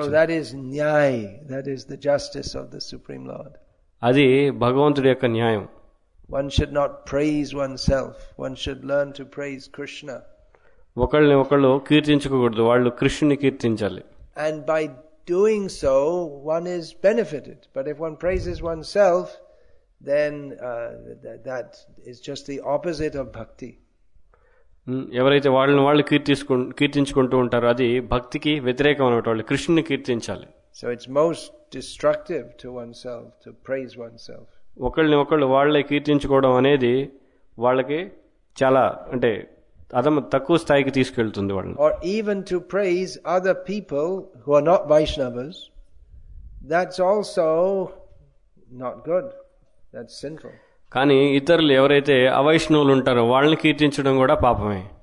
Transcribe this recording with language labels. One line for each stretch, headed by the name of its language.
English: So that is న్యాయ్, that is the justice of the supreme lord.
Telugu: అది భగవంతుడి యొక్క న్యాయం.
English: One should not praise oneself. One should learn to praise Krishna.
Telugu: ఒకళ్ళని ఒకళ్ళు కీర్తించుకోకూడదు, వాళ్ళు కృష్ణుని కీర్తించాలి.
English: And by doing so, one is benefited. But if one praises oneself, then that is just the opposite of bhakti.
Telugu: ఎవరైతే వాళ్ళని వాళ్ళు కీర్తించుకుంటూ ఉంటారో అది భక్తికి వ్యతిరేకం అన్నమాట, వాళ్ళు కృష్ణుని కీర్తించాలి.
English: So it's most destructive to oneself to praise oneself.
Telugu: ఒకళ్ళని ఒకళ్ళు వాళ్ళే కీర్తించుకోవడం అనేది వాళ్ళకి చాలా అంటే అదమ తక్కువ స్థాయికి తీసుకెళ్తుంది వాళ్ళని.
English: Or even to praise other people who are not Vaishnavas, that's also not good. That's sinful.
Telugu: కానీ ఇతరులు ఎవరైతే అవైష్ణవులు ఉంటారో వాళ్ళని కీర్తించడం కూడా పాపమే.